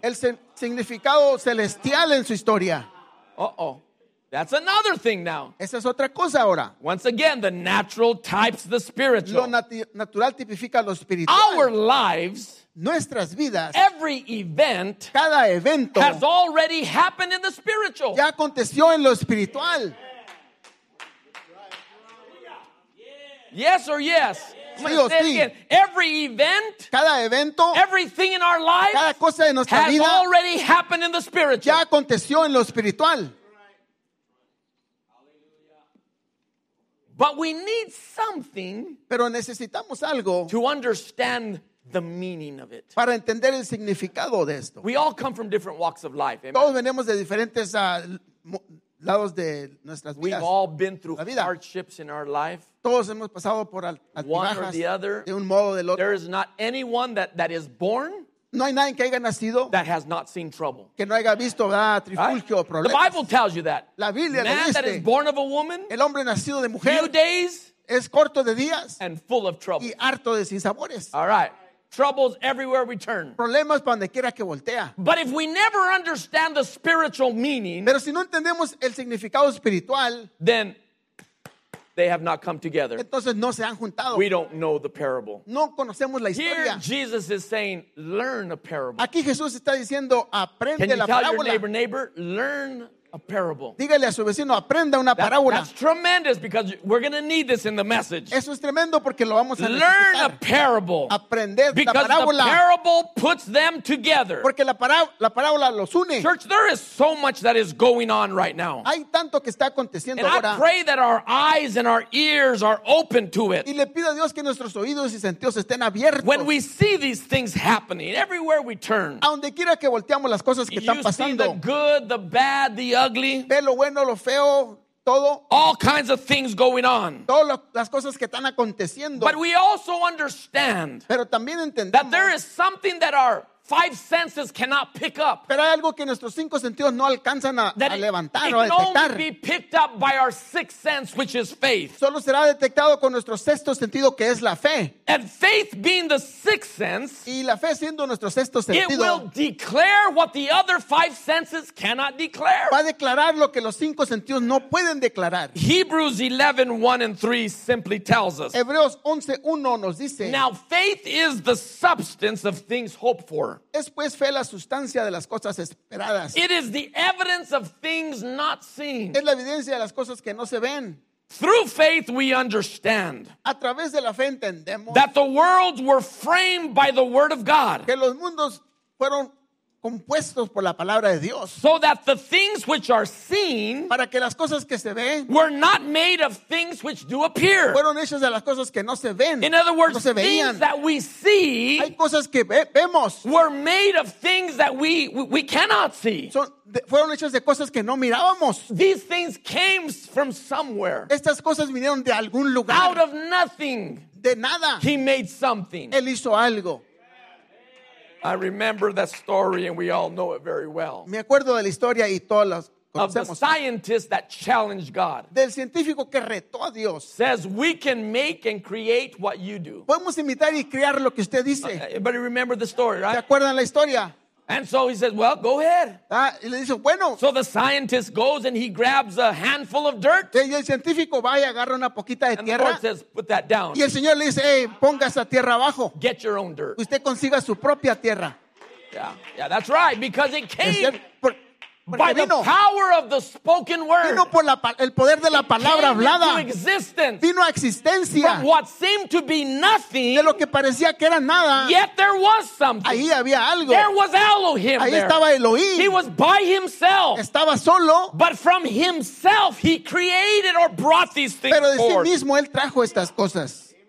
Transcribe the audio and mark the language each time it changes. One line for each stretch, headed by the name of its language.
Spanish: El significado celestial en su historia. Uh-oh.
English: That's another thing now.
Spanish: Esa es otra cosa ahora.
English: Once again, the natural types the spiritual.
Spanish: Lo natural tipifica lo espiritual.
English: Our lives,
Spanish: nuestras vidas,
English: every event,
Spanish: cada evento,
English: has already happened in the spiritual.
Spanish: Ya aconteció en lo espiritual.
English: Yes or yes? Sí, I'm gonna say sí. Again. Every event,
Spanish: cada evento,
English: everything in our life,
Spanish: cada cosa de nuestra
English: has
Spanish: vida,
English: already happened in the spiritual.
Spanish: Ya aconteció en lo espiritual.
English: But we need something,
Spanish: pero necesitamos algo,
English: to understand the meaning of it.
Spanish: Para entender el significado de esto.
English: We all come from different walks of life.
Spanish: Todos venimos de diferentes lados de nuestras vidas.
English: We've all been through hardships in our life.
Spanish: Todos hemos pasado por altibajas.
English: One or the other.
Spanish: De un modo o del otro.
English: There is not anyone that is born.
Spanish: No hay nadie que haya nacido.
English: That has not seen trouble.
Spanish: Que no haya visto, ¿verdad? Trifulcio,
English: right?
Spanish: Problemas.
English: The Bible tells you that.
Spanish: La Biblia
English: man
Spanish: lo dice.
English: That is born of a woman.
Spanish: El hombre nacido de mujer.
English: Few days.
Spanish: Es corto de días.
English: And full of trouble.
Spanish: Y harto de sinsabores.
English: All right. Troubles everywhere we turn.
Spanish: Problemas para donde quiera que voltea.
English: But if we never understand the spiritual meaning,
Spanish: pero si no entendemos el significado espiritual,
English: then they have not come together.
Spanish: Entonces no se han juntado.
English: We don't know the parable.
Spanish: No conocemos la historia.
English: Here Jesus is saying, learn a parable.
Spanish: Aquí Jesús está diciendo, aprende la parábola.
English: Can you tell your neighbor, learn a parable.
Spanish: Dígale a su vecino, aprenda una parábola.
English: That's tremendous because we're going to need this in the message.
Spanish: Eso es tremendo porque lo vamos a necesitar.
English: Learn a parable.
Spanish: Aprender la parábola.
English: Because the parable puts them together.
Spanish: Porque la parábola los une.
English: Church, there is so much that is going on right now.
Spanish: Hay tanto que está aconteciendo ahora.
English: And I pray that our eyes and our ears are open to it.
Spanish: Y le pido a Dios que nuestros oídos y sentidos estén abiertos.
English: When we see these things happening, everywhere we turn.
Spanish: A donde quiera que volteamos las cosas que están pasando.
English: You see the good, the bad, the ugly,
Spanish: lo bueno, lo feo, todo,
English: all kinds of things going on.
Spanish: Todas las cosas que están aconteciendo.
English: But we also understand,
Spanish: pero también entendemos,
English: that there is something that our five senses cannot pick up.
Spanish: Pero hay algo que nuestros cinco sentidos no alcanzan a levantar
English: it
Spanish: o a detectar.
English: Can only be picked up by our sixth sense, which is faith.
Spanish: Solo será detectado con nuestro sexto sentido, que es la fe.
English: And faith being the sixth sense,
Spanish: y la fe siendo nuestro sexto sentido,
English: it will declare what the other five senses cannot declare.
Spanish: Va a declarar lo que los cinco sentidos no pueden declarar.
English: Hebrews 11, 1 and 3 simply tells us.
Spanish: Hebreos 11, 1 nos dice.
English: Now faith is the substance of things hoped for.
Spanish: Es pues fe la sustancia de las cosas esperadas.
English: It is the evidence of things not seen.
Spanish: Es la evidencia de las cosas que no se ven.
English: Through faith we understand,
Spanish: a través de la fe entendemos,
English: that the worlds were framed by the word of God,
Spanish: que los mundos fueron compuestos por la palabra de Dios,
English: so that the things which are seen,
Spanish: para que las cosas que se ven,
English: were not made of things which do appear,
Spanish: fueron hechas de las cosas que no se ven.
English: In other words,
Spanish: no se veían.
English: Things that we see,
Spanish: hay cosas que vemos,
English: were made of things that we cannot see.
Spanish: Fueron hechas de cosas que no mirábamos.
English: These things came from somewhere.
Spanish: Estas cosas vinieron de algún lugar.
English: Out of nothing,
Spanish: de nada,
English: he made something.
Spanish: Él hizo algo.
English: I remember that story, and we all know it very well.
Spanish: Me acuerdo de la historia y todas las conocemos.
English: Of the scientist that challenged God.
Spanish: Del científico que retó a Dios.
English: Says we can make and create what you do.
Spanish: Podemos imitar y crear lo que usted dice.
English: Everybody remember the story, right?
Spanish: ¿Se acuerdan la historia?
English: And so he says, well, go ahead.
Spanish: Y le dice, bueno.
English: So the scientist goes and he grabs a handful of dirt.
Spanish: Y el científico va y agarra una poquita de tierra.
English: And the Lord says, put that down.
Spanish: Y el Señor le dice, hey, ponga esa tierra abajo.
English: Get your own dirt.
Spanish: Usted consiga su propia tierra.
English: Yeah, that's right, because it came. By the power of the spoken word.
Spanish: Vino por el poder de la palabra hablada.
English: Came into existence.
Spanish: Vino a existencia.
English: From what seemed to be nothing.
Spanish: De lo que parecía que era nada.
English: Yet there was something.
Spanish: Ahí había algo.
English: There was Elohim.
Spanish: Ahí estaba Elohim.
English: He was by himself.
Spanish: Estaba solo.
English: But from himself he created or brought these things forth.
Spanish: Pero de sí mismo él trajo estas cosas.